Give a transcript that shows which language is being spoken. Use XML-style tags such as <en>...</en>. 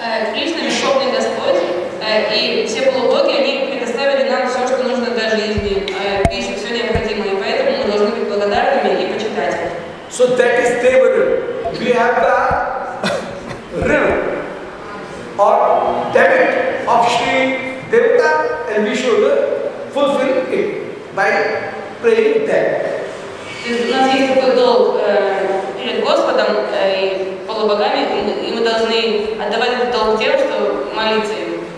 <ru>Krishna, Верховный Господь, и все полубоги, они предоставили нам все, что нужно для жизни, пищу, все необходимое, поэтому мы должны быть благодарными и почитать их.</ru> <en>So that is Deva river. We have the river or debit of Shri Devata and we should fulfill it by praying that.</en> <ru>То есть у нас есть такой долг перед Господом и полубогами, и мы должны отдавать этот долг тем, что молиться им.</ru>